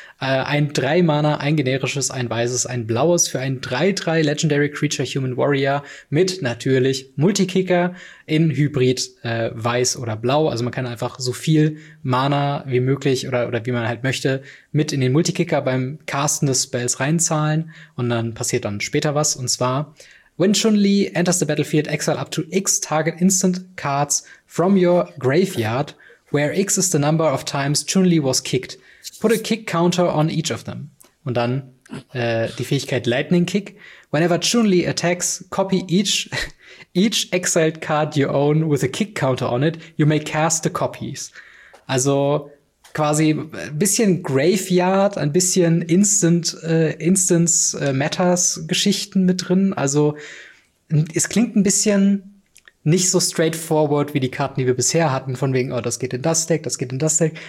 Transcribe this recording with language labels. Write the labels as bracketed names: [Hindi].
[German] Ein 3-Mana, ein generisches, ein weißes, ein blaues für ein 3-3 Legendary Creature Human Warrior mit natürlich Multikicker in Hybrid weiß oder blau. Also man kann einfach so viel Mana wie möglich oder wie man halt möchte mit in den Multikicker beim Casten des Spells reinzahlen. Und dann passiert dann später was. Und zwar: [English] When Chun-Li enters the battlefield, exile up to X target instant cards from your graveyard, where X is the number of times Chun-Li was kicked. Put a kick counter on each of them. [German] Und dann die Fähigkeit Lightning Kick. [English] Whenever Chun-Li attacks, copy each exiled card you own with a kick counter on it. You may cast the copies. [German] Also quasi ein bisschen Graveyard, ein bisschen Instance-Matters-Geschichten mit drin. Also es klingt ein bisschen nicht so straightforward wie die Karten, die wir bisher hatten, von wegen, oh, das geht in das Deck, das geht in das Deck.